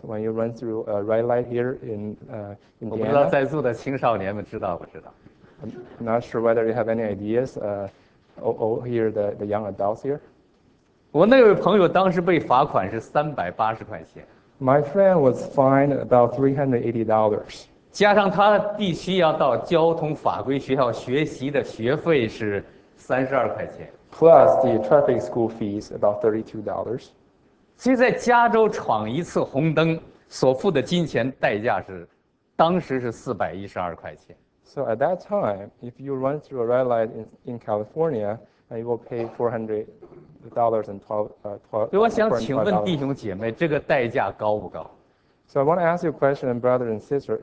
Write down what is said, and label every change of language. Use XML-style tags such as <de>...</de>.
<en>When you run through a red light here in Indiana,</en> <zh>我不知道在座的青少年们知道不知道。</zh> <en>I'm not sure whether you have any ideas. Here the young adults here.</en> <zh>我那位朋友当时被罚款是380块钱。</zh> <en>My friend was fined about $380.</en> <zh>加上他必须要到交通法规学校学习的学费是32块钱。</zh> <en>Plus the traffic school fees, about $32.</en> <zh>所以在加州闯一次红灯所付的金钱代价是，当时是412块钱。</zh> <en>So at that time, if you run through a red light in California, you will pay $400 and $12. 所以，I want to ask you a question, brother and sister.</en>